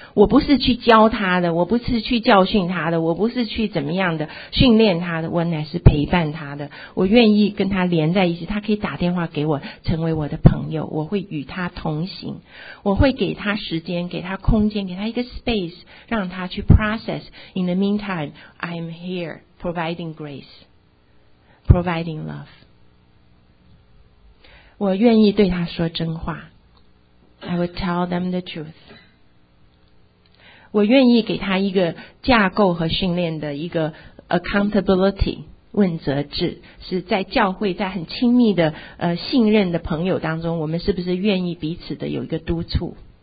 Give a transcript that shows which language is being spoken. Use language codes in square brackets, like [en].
[zh] 我不是去教他的，我不是去教训他的，我不是去怎么样的训练他的，我乃是陪伴他的，我愿意跟他连在一起，他可以打电话给我成为我的朋友，我会与他同行，我会给他时间，给他空间，给他一个 space， 让他去 process。 [en] In the meantime I'm here providing grace, providing love. [zh] 我愿意对他说真话。 [en] I will tell them the truth. [zh] 我愿意给他一个架构和训练的一个 accountability, 问责制，是在教会，在很亲密的信任的朋友当中，我们是不是愿意彼此的有一个督促？